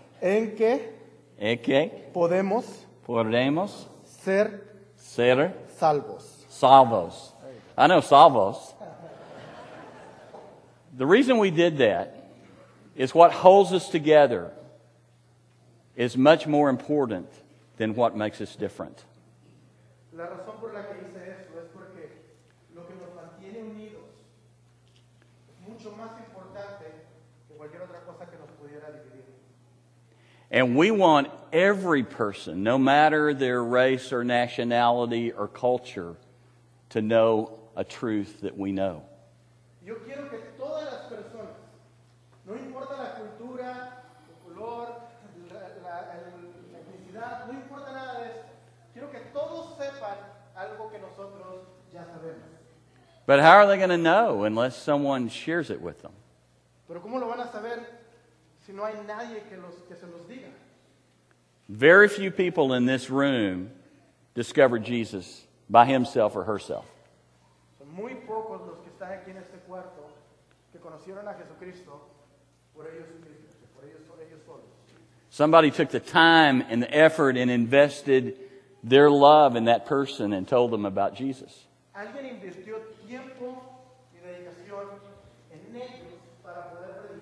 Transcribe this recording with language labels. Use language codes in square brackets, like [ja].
[es] En que, podemos, ser, salvos. [en] Salvos. I know salvos. The reason we did that is what holds us together is much more important than what makes us different. [es] La razón por la que hice eso es porque lo que nos mantiene unidos es mucho más importante que cualquier otra cosa que nos pudiera dividir. [en] And we want every person, no matter their race or nationality or culture, to know a truth that we know. [es] Yo quiero que todas las personas, no importa la cultura, el color, la etnicidad, no importa nada de esto, quiero que todos sepan algo que nosotros ya sabemos. [en] But how are they going to know unless someone shares it with them? [es] Pero ¿cómo lo van a saber? Si no hay nadie que los, que se los diga. [en] Very few people in this room discover Jesus by himself or herself. [es] Muy pocos los que están aquí en este cuarto que conocieron a Jesucristo por ellos solos. [en] Somebody took the time and the effort and invested their love in that person and told them about Jesus. [es] Alguien invirtió tiempo y dedicación en ellos para poder.